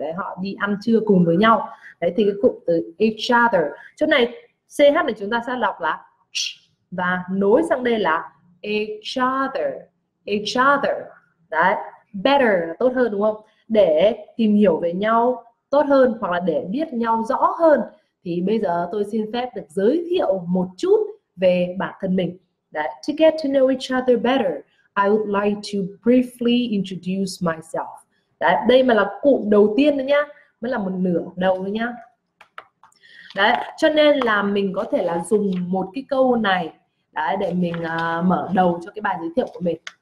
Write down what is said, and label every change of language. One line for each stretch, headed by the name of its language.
Vietnamese: Đấy, họ đi ăn trưa cùng với nhau. Đấy, thì cái cụm từ
English: each other,
Vietnamese: chỗ này CH này chúng ta sẽ lọc là ch, và nối sang đây là each other.
English: Each other,
Vietnamese: đấy, better là tốt hơn, đúng không? Để tìm hiểu về nhau tốt hơn hoặc là để biết nhau rõ hơn. Thì bây giờ tôi xin phép được giới thiệu một chút về bản thân mình. Đấy,
English: to get to know each other better, I would like to briefly introduce myself.
Vietnamese: Đấy, đây mà là cụm đầu tiên đấy nhá, mới là một nửa đầu thôi nhá. Đấy, cho nên là mình có thể là dùng một cái câu này, đấy, để mình mở đầu cho cái bài giới thiệu của mình.